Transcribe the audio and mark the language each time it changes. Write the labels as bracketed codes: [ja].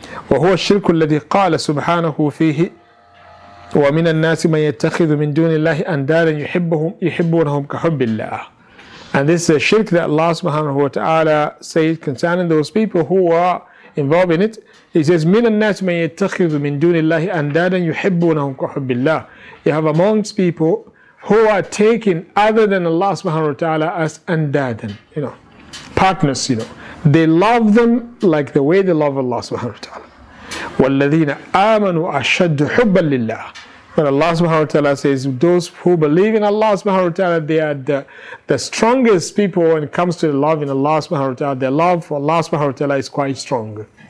[ar] وَهُوَ الشِّرْكُ الَّذِي قَالَ سُبْحَانَهُ فِيهِ وَمِنَ النَّاسِ مَنْ يَتَّخِذُ مِنْ دُونِ اللَّهِ أَنْدَادًا يُحِبُّونَهُمْ كَحُبِّ اللَّهِ. [en] And this is a shirk that Allah subhanahu wa ta'ala says concerning those people who are involved in it. He says, [ar] مِنَ النَّاسِ مَنْ يَتَّخِذُ مِنْ دُونِ اللَّهِ أَنْدَادًا يُحِبُّونَهُمْ كَحُبِّ اللَّهِ. [en] You have amongst people who are taking other than Allah subhanahu wa ta'ala as andadan, you know, partners, you know. They love them like the way they love Allah subhanahu wa ta'ala. [ar] وَالَّذِينَ آمَنُوا أَشَدُّ حُبًّا لِلَّهِ. [en] But Allah subhanahu wa ta'ala says, those who believe in Allah subhanahu wa ta'ala, they are the strongest people when it comes to the love in Allah subhanahu wa ta'ala. Their love for Allah subhanahu wa ta'ala is quite strong.